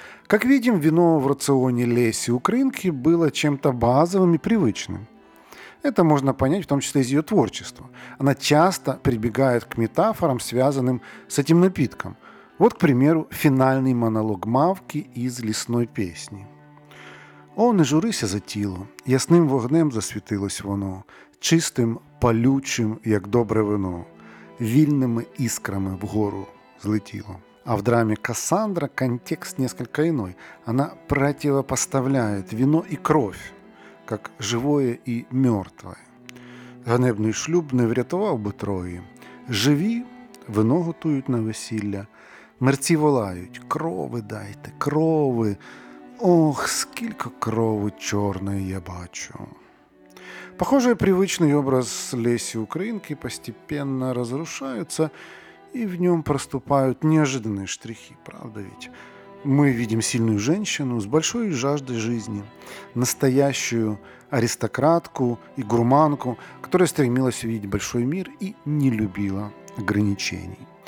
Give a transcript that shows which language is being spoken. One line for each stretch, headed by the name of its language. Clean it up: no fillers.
Russian: Как видим, вино в рационе Леси украинки было чем-то базовым и привычным. Это можно понять в том числе из ее творчества. Она часто прибегает к метафорам, связанным с этим напитком. Вот, к примеру, финальный монолог Мавки из «Лесной песни».
Ukrainian: «О, не журися за тіло, ясним вогнем засвітилось воно, чистим, палючим, як добре вино, вільними іскрами вгору злетіло».
Russian: А в драме «Кассандра» контекст несколько иной. Она противопоставляет вино и кровь, как живое и мертвое.
Ukrainian: «Ганебний шлюб не врятував би трої. Живі, вино готують на весілля. Мерці волають, крови дайте, крови. Ох, скільки крови чорної я бачу».
Russian: Похоже, привычный образ Леси украинки постепенно разрушается, и в нем проступают неожиданные штрихи. Правда ведь? Мы видим сильную женщину с большой жаждой жизни, настоящую аристократку и гурманку, которая стремилась увидеть большой мир и не любила ограничений.